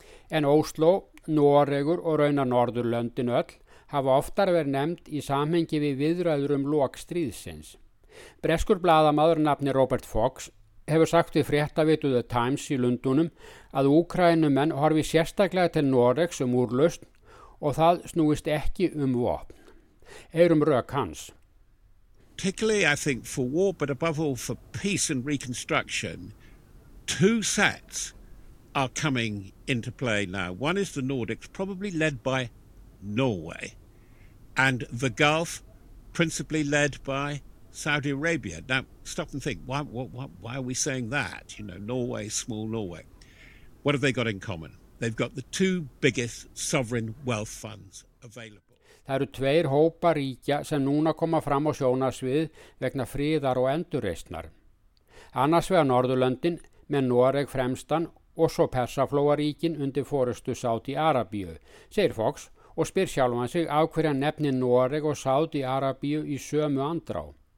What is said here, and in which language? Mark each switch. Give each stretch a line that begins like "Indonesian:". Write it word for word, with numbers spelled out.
Icelandic: En Ósló, Noregur og raunar Norðurlöndin öll hafa oftar verið nefnd í samhengi við viðræður um lok stríðsins. Breskur blaðamaður nafni Robert Fox hefur sagt við fréttavitu The Times í Lundunum að Úkraínumenn horfi sérstaklega til Noregs um úrlausn og það snúist ekki um vopn. Heyrum rök hans.
English: Particularly, I think, for war, but above all for peace and reconstruction, two sets are coming into play now. One is the Nordics, probably led by Norway, and the Gulf, principally led by Saudi Arabia. Now, stop and think, why, why, why are we saying that? You know, Norway, small Norway. What have they got in common? They've got the two biggest sovereign wealth funds available.
Icelandic: Það eru tveir hópa ríkja sem núna koma fram á sjónarsvið vegna friðar og endurreisnar. Annars vegar Norðurlöndin með Noreg fremstan og svo Persaflóaríkin undir forustu Sádi-Arabíu, segir Fox og spyr sjálfan sig af hverja nefni Noreg og Sádi-Arabíu í sömu andrá.